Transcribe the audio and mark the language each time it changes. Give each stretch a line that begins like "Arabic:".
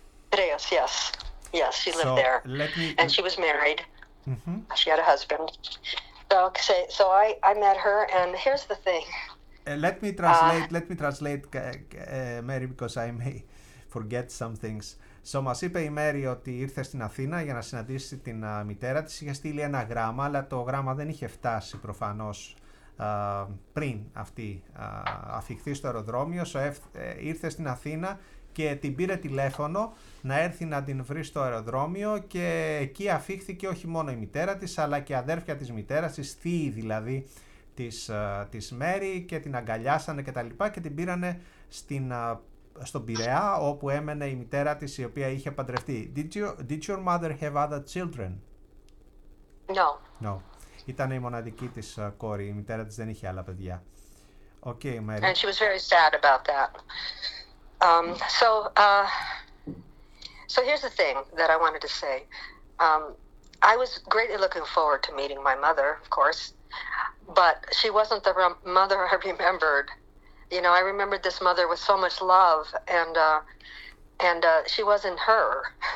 English: Piraeus, yes, yes, she lived there. She was married. Mm-hmm. She had a husband. So I met her, and here's the thing. Let me translate, Mary, because I may forget some things.
Greek: So, μας είπε η Mary ότι ήρθε στην Αθήνα για να συναντήσει την μητέρα της. Είχε στείλει ένα γράμμα, αλλά το γράμμα δεν είχε φτάσει προφανώς πριν αυτή αφηχθεί στο αεροδρόμιο. Ήρθε στην Αθήνα και την πήρε τηλέφωνο να έρθει να την βρει στο αεροδρόμιο, και εκεί αφήχθηκε όχι μόνο η μητέρα της, αλλά και αδέρφια της μητέρας της, θείη δηλαδή, της Μέρη, και την αγκαλιάσανε και τα λοιπά, και την πήρανε στον Πειραιά, όπου έμενε η μητέρα της, η οποία είχε παντρευτεί.
English: Did your mother have other children? No. No.
Greek: Ήταν η μοναδική της κόρη. Η μητέρα της δεν είχε άλλα παιδιά.
English: Okay, Mary. And she was very sad about that. So here's the thing that I wanted to say. I was greatly looking forward to meeting my mother, of course. But she wasn't the mother I remembered. You know, I remembered this mother with so much love, and she wasn't her.